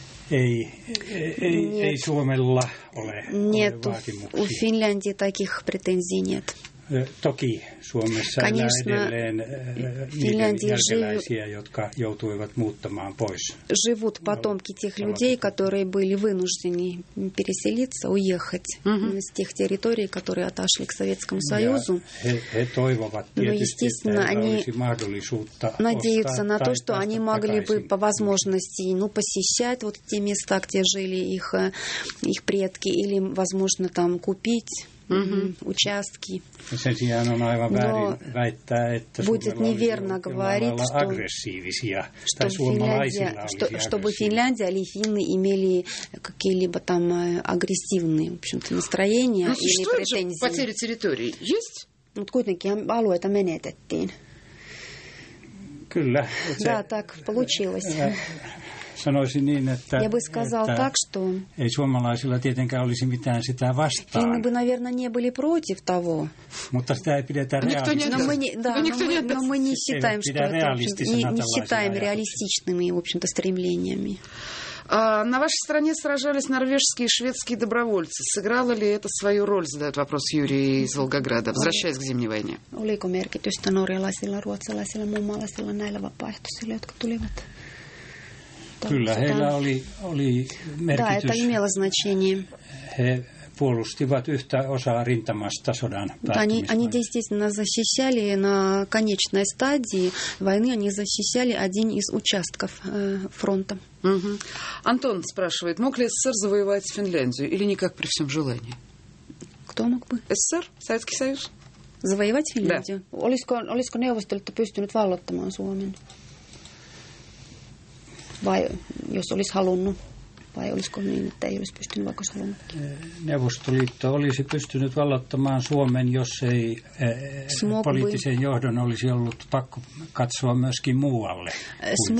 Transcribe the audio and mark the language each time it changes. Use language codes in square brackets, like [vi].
[fi] Ei Suomella ole vaatimuksia. [ru] У Финляндии таких претензий нет. [fi] Toki Suomessa on edelleen Финляндия jälkeläisiä, jotka joutuivat muuttamaan pois. [ru] Живут потомки тех людей, которые были вынуждены переселиться, уехать с тех территорий, которые отошли к Советскому Союзу. [fi] He toivovat tietysti, että olisi mahdollisuutta ostaa. [ru] Надеются на то, что они могли бы по возможности посещать вот те места, где жили их предки, или, возможно, там купить участки. [fi] Sen sijaan on aivan väärin väittää, että Suomella olisi ollut aggressiivisia, что tai suomalaisilla [ru] чтобы Финляндия или финны имели какие-либо там агрессивные, в общем-то, настроения или претензии. Же потеря территории есть? [fi] Mutta kuitenkin alueita menetettiin. Kyllä. [ru] Да, так получилось. [fi] sanoisin niin, että, [ru] я бы сказал [fi] että [ru] так, что [fi] ei suomalaisilla tietenkään olisi mitään sitä vastaan. [ru] И мы бы, наверное, не были против того. [fi] Mutta sitä ei pidetä [ru] реалистичными, в общем-то, стремлениями. На вашей стороне сражались норвежские и шведские добровольцы. Сыграло ли это свою роль, задает вопрос Юрий из Волгограда, возвращаясь к Зимней войне? [fi] Oliko merkitystä norjalaisilla, ruotsalaisilla, muumalaisilla näillä vapaaehtoisilla, jotka tulivat? Kyllä, heillä oli, oli merkitys. [ru] Да, это имело значение. [fi] He puolustivat yhtä osaa rintamasta sodan päättymistä. [ru] Они действительно защищали на конечной стадии войны, они защищали один из участков фронта. Антон спрашивает, мог ли СССР завоевать Финляндию или никак при всем желании? Кто мог бы? СССР, Советский Союз. Завоевать Финляндию? Да. [fi] Olisiko neuvostoliitto pystynyt vallottamaan Suomen? Vai jos olisi halunnut? Vai olisiko niin, että ei olisi pystynyt, vaikka olisi halunnut? Neuvostoliitto olisi pystynyt vallottamaan Suomen, jos ei poliittisen johdon olisi ollut pakko katsoa myöskin muualle kuin Suomeen.